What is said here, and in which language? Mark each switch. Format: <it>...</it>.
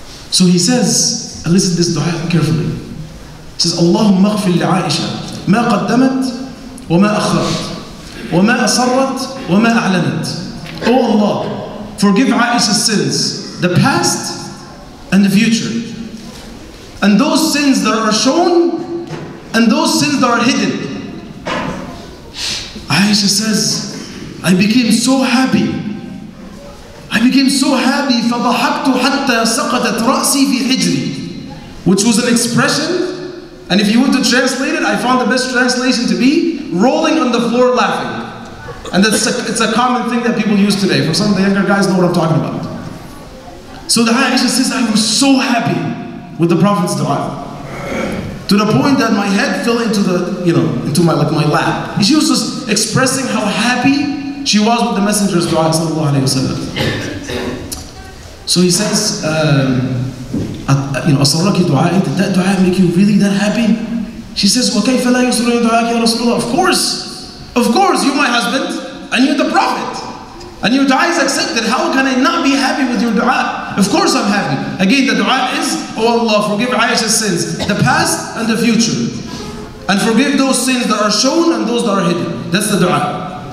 <en>So he says, and listen to this du'a carefully. He says,</en> <ar>اللهم اغفر لعائشة ما قدمت وما أخرت وما أصرت وما أعلنت.</ar> <en>O Allah, forgive Aisha's sins, the past and the future, and those sins that are shown and those sins that are hidden. Aisha says, I became so happy. I became so happy.</en> <ar>فَضَحَكْتُ حَتَّى سَقَتَتْ رَأْسِي فِي حِجْرِي.</ar> <en>Which was an expression, and if you want to translate it, I found the best translation to be rolling on the floor laughing. And it's a common thing that people use today. For some of the younger guys know what I'm talking about. So the Aisha says, I was so happy with the Prophet's du'a. To the point that my head fell into the, you know, into my like my lap. And she was just expressing how happy she was with the Messenger's du'a, sallallahu alayhi wa sallam. So he says, you know,</en> <ar>أَصَرَّكِ دُعَائِ.</ar> <en>Did that du'a make you really that happy? She says,</en> <ar>وَكَيْفَ لَا يُسْرُّ دُعَاكِ يَا رَسُولُ اللَّهِ.</ar> <en>Of course, you my husband, and you're the Prophet. And your du'a is accepted. How can I not be happy with your du'a? Of course I'm happy. Again, the du'a is, O Allah, forgive Aisha's sins, the past and the future. And forgive those sins that are shown and those that are hidden. That's the du'a.</en>